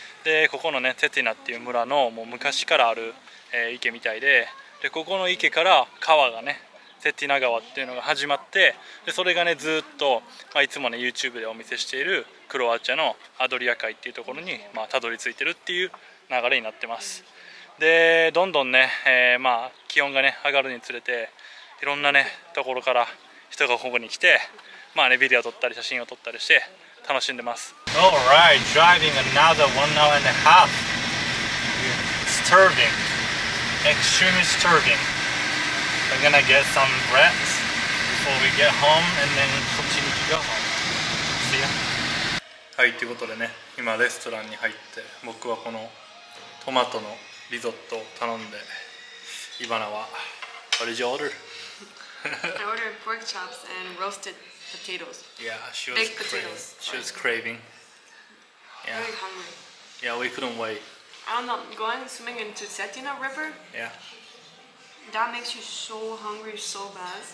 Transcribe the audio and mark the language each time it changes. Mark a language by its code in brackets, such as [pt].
[ja] で、ここのねセティナっていう村のもう昔からある、池みたい で、ここの池から川がねセティナ川っていうのが始まって、でそれがねずっと、いつもね YouTube でお見せしているクロアチアのアドリア海っていうところにたど、り着いてるっていう流れになってます。で、どんどんね、気温がね上がるにつれていろんなねところから人がここに来て、ね、ビデオ撮ったり写真を撮ったりして楽しんでます。 [en] Alright, driving another 1.5 hours. Disturbing, extremely disturbing. We're gonna get some rest before we get home and then continue to go home. See ya. [ja] はい、ということでね、今レストランに入って僕はこのトマトのリゾットを頼んで、イバナは [en] What did you order? I ordered pork chops and roasted potatoes. Yeah, she was baked potatoes. She was craving. Yeah. Very hungry. Yeah, we couldn't wait. I don't know, going swimming into Setina River? Yeah. That makes you so hungry, so bad.